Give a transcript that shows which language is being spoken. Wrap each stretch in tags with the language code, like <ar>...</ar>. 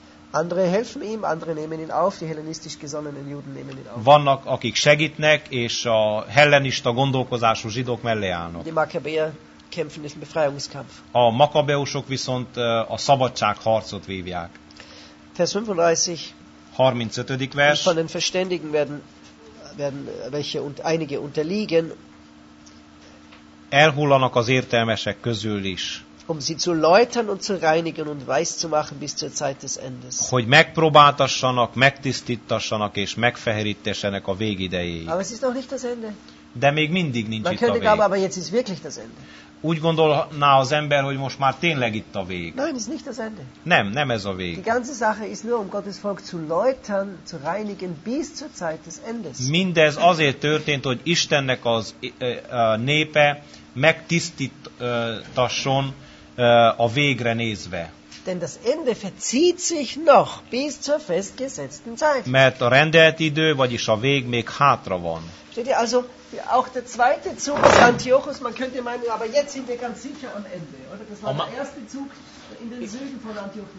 <de>Andere helfen ihm, andere nehmen ihn auf, die hellenistisch gesonnenen Juden nehmen ihn auf.</de> <hu>Vannak, akik segítnek, és a hellenista gondolkozású zsidók mellé állnak.</hu> <de>Die Makkabäer kämpfen diesen Befreiungskampf.</de> <hu>A makabeusok viszont a szabadságharcot vívják.</hu> <de>Vers 35.</de> <hu>35. vers.</hu> <de>Von den Verständigen werden welche und einige unterliegen.</de> <hu>Elhullanak az értelmesek közül is.</hu> <de>Um sie zu läutern und zu reinigen und weiß zu machen bis zur Zeit des Endes.</de> <hu>Hogy megpróbáltassanak, megtisztítassanak és megfehérítessenek a végidejéig.</hu> <de>Aber es ist noch nicht das Ende.</de> <hu>De még mindig nincs</hu> <de>man</de> <hu>itt a vég.</hu> <de>Aber jetzt ist wirklich das Ende.</de> <hu>Úgy gondolná az ember, hogy most már tényleg itt a vég.</hu> <de>Nein, ist nicht das Ende.</de> <hu>Nem ez a vég.</hu> <de>Die ganze Sache ist nur, um Gottes Volk zu läutern, zu reinigen bis zur Zeit des Endes.</de> <hu>Mindez azért történt, hogy Istennek az népe megtisztítasson a végre nézve.</hu> <de>Denn das Ende verzieht sich noch bis zur festgesetzten Zeit.</de> <hu>Mert a rendelt idő, vagyis a vég még hátra van.</hu> <de>Steht ihr also, auch der zweite Zug des Antiochus, man könnte meinen, aber jetzt sind wir ganz sicher am Ende, oder? Das war der erste Zug in den Süden von Antiochus.</de>